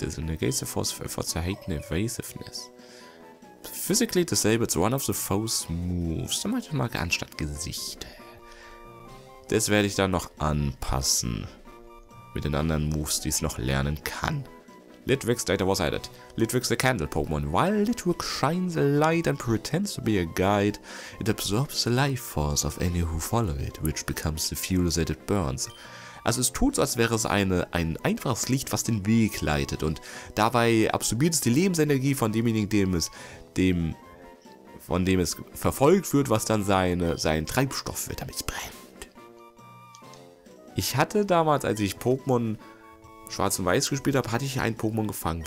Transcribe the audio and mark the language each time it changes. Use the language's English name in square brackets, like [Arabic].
[German] Das ist eine [English] Gaze Force for Hate Evasiveness. Physically disabled one of the foe's moves. [German] Dann mach ich mal anstatt Gesicht. Das werde ich dann noch anpassen. Mit den anderen Moves, die es noch lernen kann. [English] Litwick's data was added. Litwick's the candle Pokémon. While Litwick shines a light and pretends to be a guide, it absorbs the life force of any who follow it, which becomes the fuel that it burns. [German] Also es tut so, als wäre es ein einfaches Licht, was den Weg leitet. Und dabei absorbiert es die Lebensenergie von demjenigen, von dem es verfolgt wird, was dann sein Treibstoff wird, damit es brennt. Ich hatte damals, als ich Pokémon Schwarz und Weiß gespielt habe, hatte ich ein Pokémon gefangen.